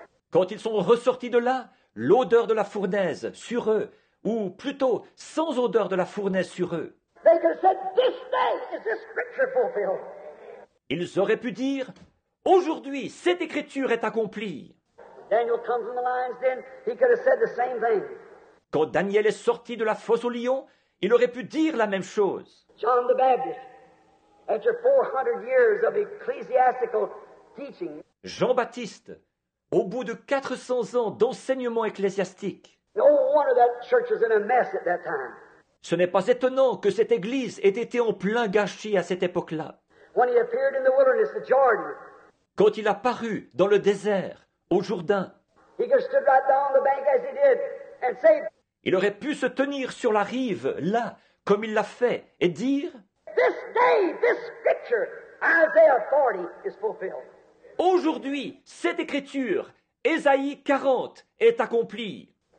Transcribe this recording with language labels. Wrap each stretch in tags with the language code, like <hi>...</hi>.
<fr>Quand ils sont ressortis de là, l'odeur de la fournaise sur eux, ou plutôt sans odeur de la fournaise sur eux.</fr> <en>They could have said, this day is this scripture fulfilled.</en> <fr>Ils auraient pu dire, aujourd'hui, cette écriture est accomplie.</fr> <en>Daniel comes from the lions, then he could have said the same thing.</en> <fr>Quand Daniel est sorti de la fosse au lion, il aurait pu dire la même chose.</fr> <en>John the Baptist, after 400 years of ecclesiastical teaching.</en> <fr>Jean-Baptiste, au bout de 400 ans d'enseignement ecclésiastique.</fr> <en>No wonder that church was in a mess at that time.</en> <fr>Ce n'est pas étonnant que cette église ait été en plein gâchis à cette époque-là.</fr> <en>When he appeared in the wilderness, the Jordan.</en> <fr>Quand il apparut dans le désert, au Jourdain,</fr> <en>he could have stood right down on the bank as he did.</en> <fr>Il aurait pu se tenir sur la rive, là, comme il l'a fait, et dire</fr> <en>this day, this scripture, Isaiah 40 is fulfilled.</en> <fr>Aujourd'hui, cette écriture, Ésaïe 40, est accomplie.</fr>